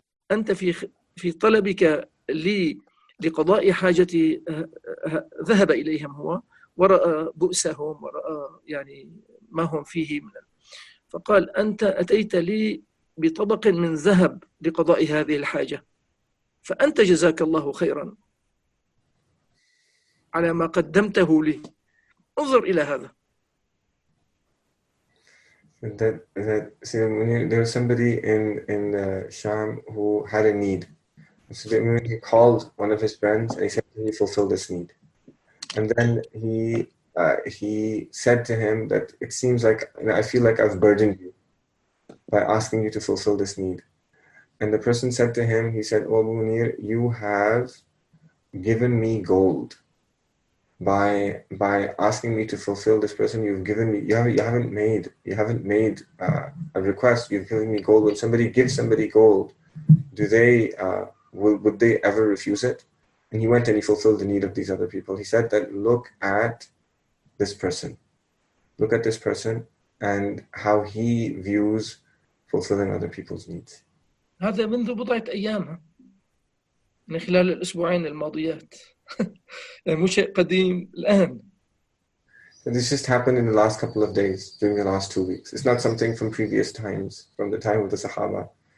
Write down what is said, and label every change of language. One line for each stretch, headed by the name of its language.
Arabic: أنت في طلبك لي لقضاء حاجتي ذهب إليهم، هو ورأى بؤسهم ورأى يعني ما هم فيه من، فقال أنت أتيت لي بطبق من ذهب لقضاء هذه الحاجة، فأنت جزاك الله خيرا على ما قدمته لي. انظر إلى هذا.
English: That Sayyidina Munir, there was somebody in the Sham who had a need. Sayyidina Munir, he called one of his friends and he said, can you fulfill this need? And then he said to him that it seems like, you know, I feel like I've burdened you by asking you to fulfill this need. And the person said to him, he said, oh, Munir, you have given me gold. By asking me to fulfill this person, you've given me, you haven't made a request, you've given me gold. When somebody gives somebody gold, do they, would they ever refuse it? And he went and he fulfilled the need of these other people. He said that, look at this person and how he views fulfilling other people's needs.
Arabic: هذا منذ بضعة أيام من خلال الأسبوعين الماضيات. مو شيء قديم الآن.
English: This just happened in the last couple of days, during the last 2 weeks. It's not something from previous times, from the time of the Sahaba.